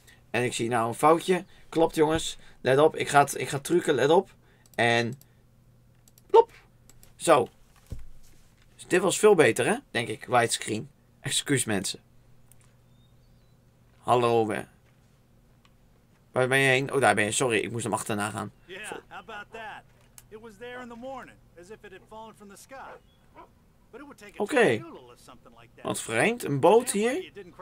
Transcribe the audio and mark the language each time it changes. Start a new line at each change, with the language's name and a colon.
Dutch: En ik zie nou een foutje. Klopt jongens. Let op, ik ga trucken, let op. En... Plop. Zo. Dus dit was veel beter, hè? Denk ik, widescreen. Excuus, mensen. Hallo, we. Waar ben je heen? Oh, daar ben je. Sorry, ik moest hem achterna gaan.
English: Ja, how about that? It was there in the morning, as if it had fallen from the sky. But it would take a okay.
Dutch: Wat vreemd, een boot hier?